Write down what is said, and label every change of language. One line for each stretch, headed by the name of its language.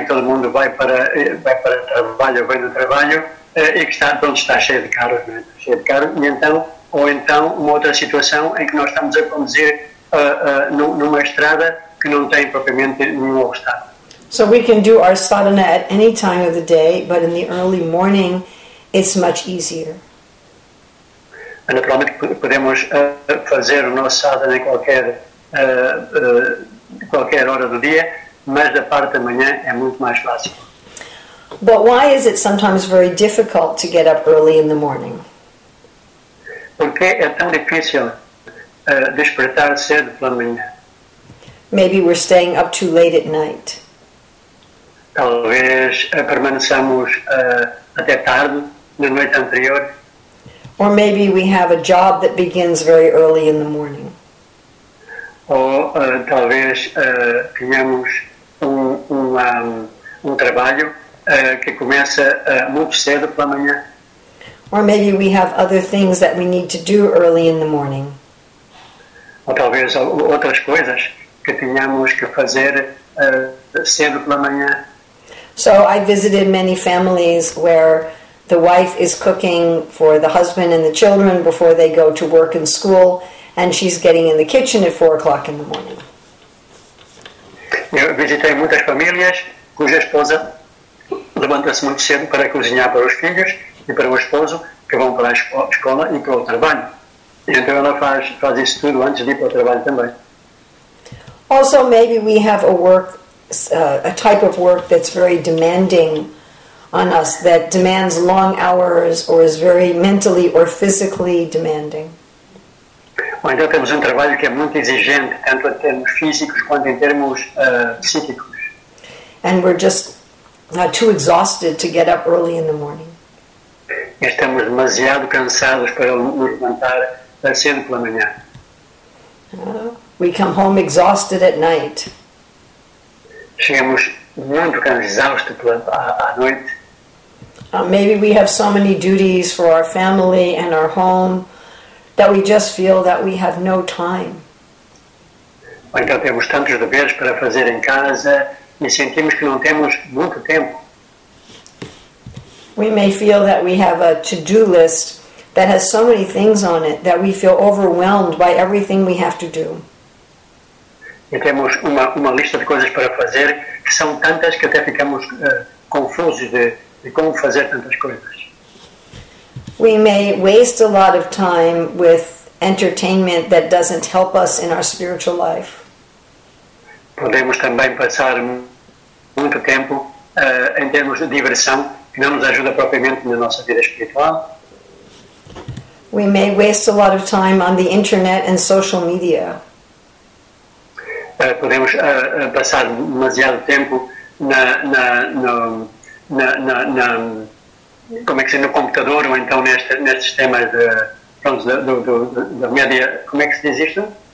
Portuguese: Todo mundo vai para o trabalho, vem do trabalho, e que está, pronto, está cheio de carros, não é? Está cheio de carros, ou então uma outra situação em que nós estamos a conduzir numa estrada que não tem propriamente nenhum obstáculo.
English: So we can do our sadhana at any time of the day, but in the early morning, it's much easier.
Portuguese: Naturalmente podemos fazer o nosso sadhana em qualquer hora do dia, mas da parte da manhã é muito mais fácil.
English: But why is it sometimes very difficult to get up early in the morning?
Portuguese: Porque é tão difícil despertar cedo pela manhã.
English: Maybe we're staying up too late at night.
Portuguese: Talvez permaneçamos até tarde, na noite anterior.
English: Or maybe we have a job that begins very early in the morning.
Portuguese: Ou talvez tenhamos um trabalho que começa muito cedo pela manhã.
English: Or maybe we have other things that we need to do early in the morning.
Portuguese: Ou talvez outras coisas que tenhamos que fazer cedo pela manhã.
English: So I visited many families where the wife is cooking for the husband and the children before they go to work and school, and she's getting in the kitchen at 4:00 in the morning.
Portuguese: Eu visitei muitas famílias cuja esposa levanta-se muito cedo para cozinhar para os filhos e para o esposo que vão para a escola e para o trabalho. Então ela faz isso tudo antes de ir para o trabalho também.
English: Also, maybe we have a type of work that's very demanding on us, that demands long hours or is very mentally or physically demanding.
Portuguese: Ou então temos trabalho que é muito exigente, tanto em termos físicos quanto em termos psíquicos.
English: And we're just too exhausted to get up early in the morning.
Portuguese: E estamos demasiado cansados para nos levantar cedo pela manhã.
English: We come home exhausted at night.
Portuguese: Chegamos muito cansados à noite.
English: Maybe we have so many duties for our family and our home that we just feel that we have no time.
Portuguese: Quando temos tantos deveres para fazer em casa, nos sentimos que não temos muito tempo.
English: We may feel that we have a to-do list that has so many things on it that we feel overwhelmed by everything we have to do.
Portuguese: E temos uma lista de coisas para fazer que são tantas que até ficamos confusos de como fazer tantas coisas.
English: We may waste a lot of time with entertainment that doesn't help us in our spiritual life.
Portuguese: Podemos também passar muito tempo em termos de diversão que não nos ajuda propriamente na nossa vida espiritual.
English: We may waste a lot of time on the internet and social media.
Portuguese: Podemos passar demasiado tempo no computador ou então neste sistema de media, como é que se diz isto?